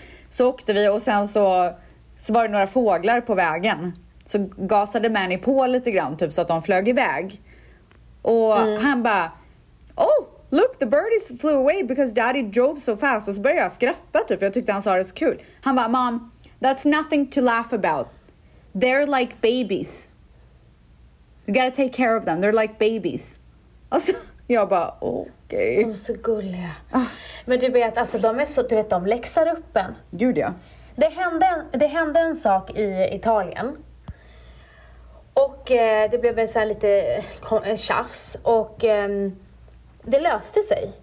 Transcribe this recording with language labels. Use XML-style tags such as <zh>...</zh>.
<sv>Så åkte vi och sen så var det några fåglar på vägen. Så gasade Manny på lite grann, typ så att de flög iväg. Och han bara,</sv> <en>oh, look, the birdies flew away because daddy drove so fast.</en> <sv>Och så började jag skratta typ, för jag tyckte han sa det så kul.</sv> <en>Han bara, mom, that's nothing to laugh about. They're like babies. You gotta take care of them, they're like babies.</en> <sv>Alltså, jag bara, okej. Okay. De är så gulliga. Men du vet, alltså, de är så, du vet, de läxar upp en. Gjorde jag. Det hände en sak i Italien. Och det blev en så här lite tjafs. Och det löste sig.</sv>